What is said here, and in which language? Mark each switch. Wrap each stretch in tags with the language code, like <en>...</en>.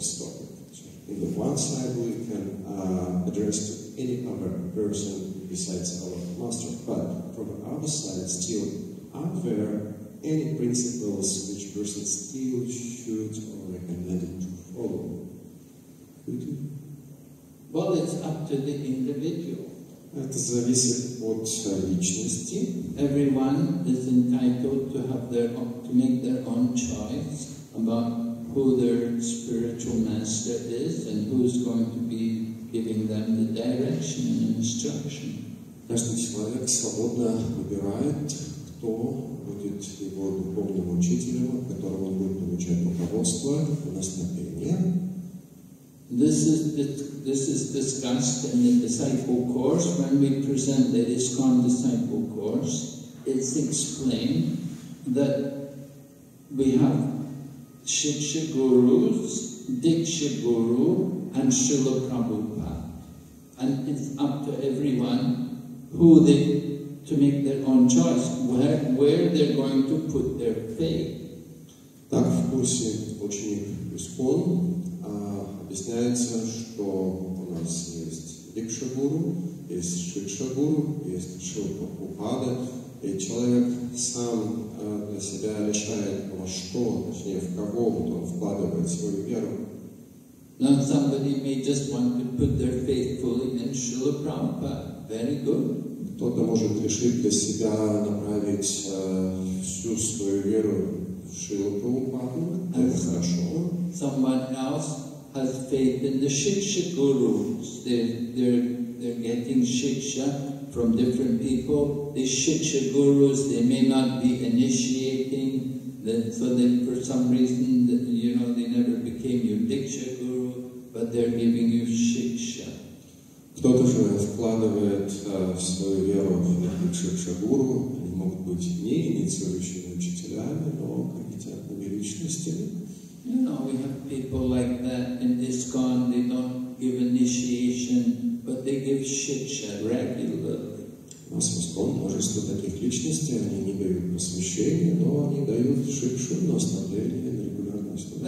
<en>So on the one side we can address to any other person besides our master, but from the other side still, are there any principles which person still should or recommended to follow? Could you? Well, it's up to the individual.</en> <ru>Это зависит от личности.</ru> <en>Everyone is entitled to have their own, to make their own choice about who their spiritual master is and who is going to be giving them the direction and instruction.</en> <ru>Каждый человек свободно выбирает, кто будет его духовным учителем, которого он будет получать руководство у нас на перемене.</ru> <en>This is discussed in the disciple course. When we present the ISKCON disciple course, it's explained that we have Shiksha Gurus, Diksha Guru, and Srila Prabhupada. And it's up to everyone who they to make their own choice where they're going to put their faith.</en> <ru>Так в курсе ученик ISKCON. Объясняется, что у нас есть Дикша Гуру, есть Шикша Гуру, есть Шрила Прабхупада, и человек сам для себя решает, во что, точнее, в кого вот он вкладывает свою веру.</ru> <en>Now somebody may just want to put their faith fully in Шрила Прабхупада. Very good.</en> <ru>Кто-то может решить для себя направить всю свою веру в Шрилу Прабхупаду. Это хорошо.</ru> <en>Someone else has faith in the Shiksha Gurus. They're getting Shiksha from different people. These Shiksha Gurus, they may not be initiating, so that for some reason, you know, they never became your Diksha Guru, but they're giving you Shiksha.</en> <ru>Кто-то же вкладывает в свою веру в Шикша Гуру. Они могут быть не инициирующими учителями, но компетентными личностями.</ru> <en>You know, we have people like that in ISKCON, they don't give initiation, but they give Shiksha regularly.</en> <ru>У нас в ISKCON множество таких личностей, они не дают посвящение, но они дают Шикшу на оставление на регулярность.</ru>